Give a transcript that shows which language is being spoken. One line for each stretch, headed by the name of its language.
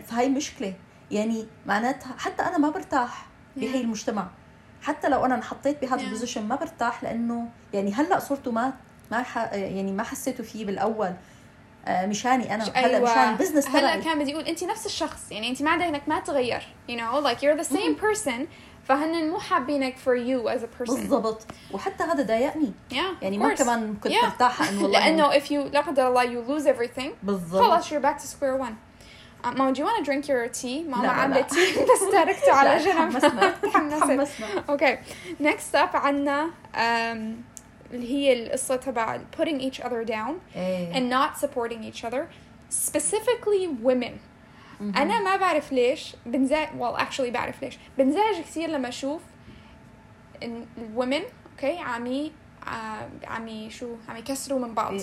Arabic: فهي مشكلة، يعني معناتها حتى انا ما برتاح بهي المجتمع، حتى لو انا انحطيت بهذا البوزيشن ما برتاح، لانه يعني هلا صرته ما حسيته فيه بالاول مشاني انا، هلا مشان بزنس هلا كان بدي يقول انت نفس الشخص، يعني انت ما عندك ما تغير،
English: you know like you're the same person،
Arabic: فهن مو حابينك
English: for you as a person.
Arabic: بالضبط، وحتى هذا ضايقني يعني
English: course.
Arabic: ما كمان كنت مرتاحه انه والله لانه
English: if you
Arabic: لا قدر الله
English: you lose everything
Arabic: خلاص
English: you're back to square one. Mom, do you want to drink your tea?
Arabic: ماما عملت تي بس تركته على جنب. تحمسنا.
English: Okay. Next up
Arabic: عنا اللي هي القصة تبع
English: putting each other down and not supporting each other. Specifically women.
Arabic: أنا ما بعرف ليش بنزعج.
English: Well, actually
Arabic: بعرف ليش. بنزعج كثير لما أشوف women okay عمي شو عم يكسروا من بعض.